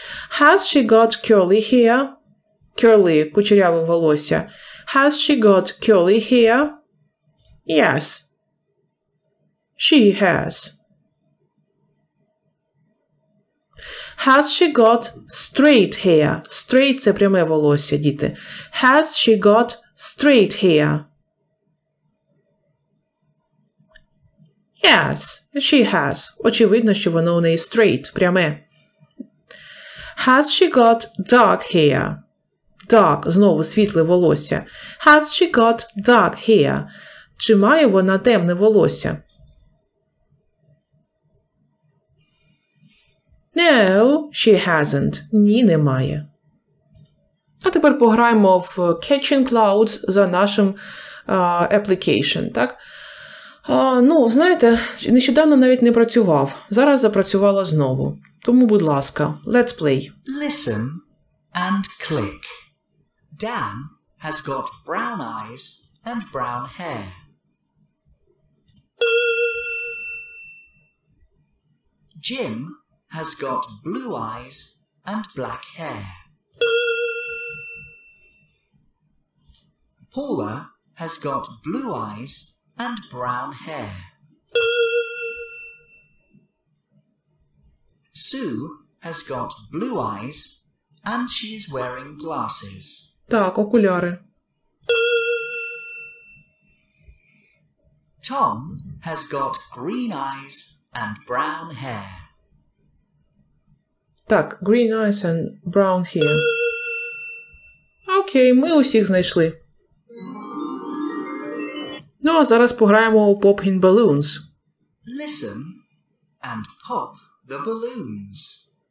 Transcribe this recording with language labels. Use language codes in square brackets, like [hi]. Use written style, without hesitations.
[en] Has she got curly hair? Curly – [uk] кучеряве волосся. [en] Has she got curly hair? Yes. She has. Has she got straight hair? [uk] Straight – це пряме волосся, діти. [en] Has she got straight hair? Yes, she has. [uk] Очевидно, що воно у неї straight, пряме. [en] Has she got dark hair? [uk] Dark – знову світле волосся. [en] Has she got dark hair? [uk] Чи має вона темне волосся? [en] No, she hasn't. [uk] Ні, немає. А тепер пограємо в Catching Clouds за нашим application, так? Знаєте, нещодавно навіть не працював. Зараз запрацювала знову. Тому, будь ласка, [en] let's play. Listen and click. Dan has got brown eyes and brown hair. Jim has got blue eyes and black hair. Paula has got blue eyes and brown hair. Sue has got blue eyes and she is wearing glasses. [uk] Так, окуляри. [en] Tom has got green eyes and brown hair. Так, green eyes and brown hair. [uk] Окей, ми усіх знайшли. Ну, а зараз пограємо у Pop in Balloons. [en] Listen and pop the balloons.